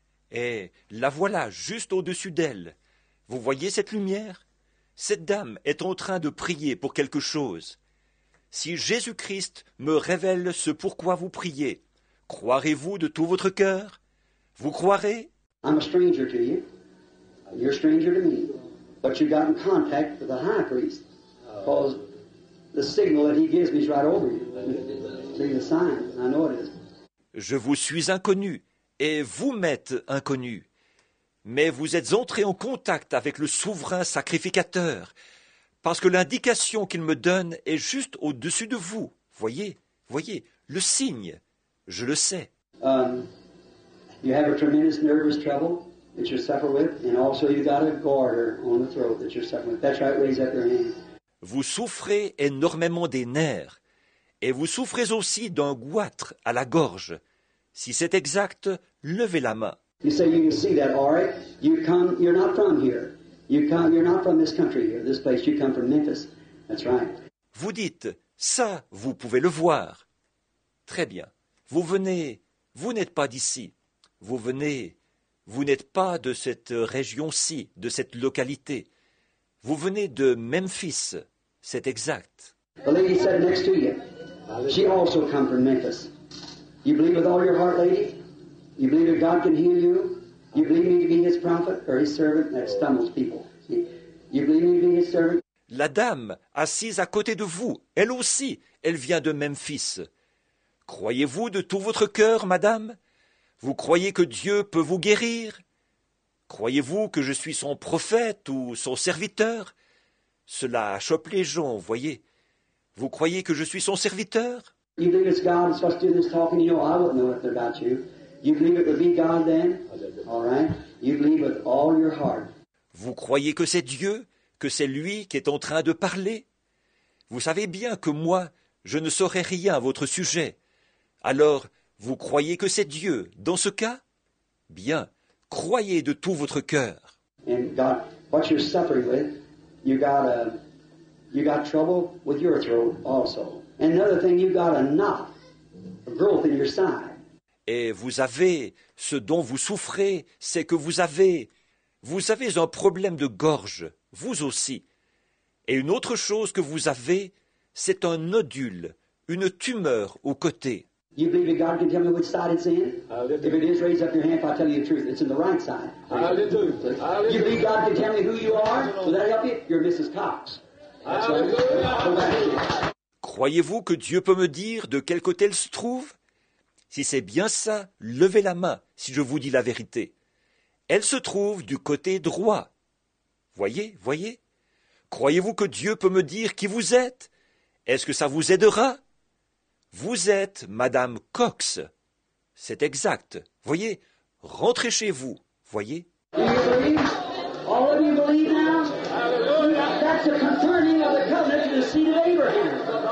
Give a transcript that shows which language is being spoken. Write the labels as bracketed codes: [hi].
[fr] Et la voilà juste au-dessus d'elle. Vous voyez cette lumière? Cette dame est en train de prier pour quelque chose. Si Jésus-Christ me révèle ce pourquoi vous priez, croirez-vous de tout votre cœur? Vous croirez? [en] I'm a stranger to you. You're a stranger to me. But you got in contact with the high priest. Because the signal that he gives me is right over you. See the sign. I know it is. [fr] Je vous suis inconnu et vous m'êtes inconnu. Mais vous êtes entré en contact avec le souverain sacrificateur. Parce que l'indication qu'il me donne est juste au-dessus de vous. Voyez, voyez, le signe, je le sais. [en] You have a tremendous nervous trouble that you suffer with, and also you got a garter on the throat that you suffer with. That's right, raise up your hand. [fr] Vous souffrez énormément des nerfs, et vous souffrez aussi d'un goitre à la gorge. Si c'est exact, levez la main. [en] You say you can see that, all right? You come, you're not from here. You're not from this country here, this place. You come from Memphis. That's right. [fr] Vous dites, ça, vous pouvez le voir. Très bien. Vous venez, vous n'êtes pas d'ici. Vous venez, vous n'êtes pas de cette région-ci, de cette localité. Vous venez de Memphis, c'est exact. [en] The lady sat next to you. She also come from Memphis. You believe with all your heart, lady? You believe that God can heal you? You believe me to be his prophet or his servant? That stumbles people. You believe me to be his servant? [fr] La dame assise à côté de vous, elle aussi, elle vient de Memphis. Croyez-vous de tout votre cœur, madame? Vous croyez que Dieu peut vous guérir? Croyez-vous que je suis son prophète ou son serviteur? Cela chope les gens, voyez. Vous croyez que je suis son serviteur? [en] You believe it's God that's supposed to do this talking to you? I wouldn't know anything about you. You believe it would be God then? All right. You believe with all your heart. [fr] Vous croyez que c'est Dieu? Que c'est lui qui est en train de parler? Vous savez bien que moi, je ne saurais rien à votre sujet. Alors, vous croyez que c'est Dieu dans ce cas? Bien, croyez de tout votre cœur. [en] And God, what you're suffering with, you got trouble with your throat also. And another thing, you got a knot, a growth in your side. [fr] Et vous avez, ce dont vous souffrez, c'est que vous avez un problème de gorge. Vous aussi. Et une autre chose que vous avez, c'est un nodule, une tumeur au côté. [en] You believe that God can tell me which side it's in? If it is, raise up your hand if I tell you the truth. It's in the right side. Hallelujah. You believe God can tell me who you are? Will that help you? You're Mrs. Cox. Hallelujah. [fr] Croyez-vous que Dieu peut me dire de quel côté elle se trouve? Si c'est bien ça, levez la main si je vous dis la vérité. Elle se trouve du côté droit. Voyez, voyez. Croyez-vous que Dieu peut me dire qui vous êtes? Est-ce que ça vous aidera? Vous êtes Madame Cox. C'est exact. Voyez, rentrez chez vous. Voyez. [en] All of you believe now? That's a confirming of the covenant to the seed of Abraham.